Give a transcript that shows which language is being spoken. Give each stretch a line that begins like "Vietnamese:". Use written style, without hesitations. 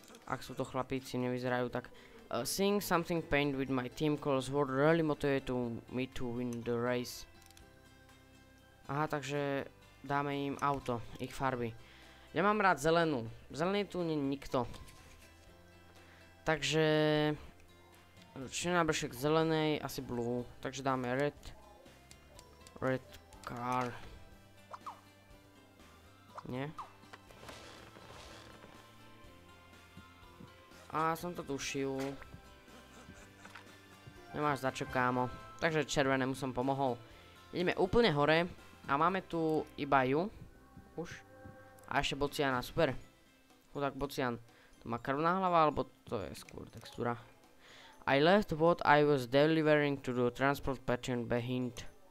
Slovak: Ak sú to chlapíci, nevyzerajú tak.
English: Seeing something paint with my team colors would really motivate me to win the race.
Slovak: Aha, takže dáme im auto, ich farby. Ja mám rád zelenú. Zelený tu nie nikto. Takže... Čiže nábršek zelenej, asi blue. Takže dáme red.
English: Red car.
Slovak: Nie? A som to tušil. Nemáš za čo, kámo. Takže červenému som pomohol. Ideme úplne hore. A máme tu iba ju. Už. A ešte Bociana, super. Chudák Bocian. To má krvná hlava, alebo to je skôr textúra.
English: I left what I was delivering to the transport pattern behind.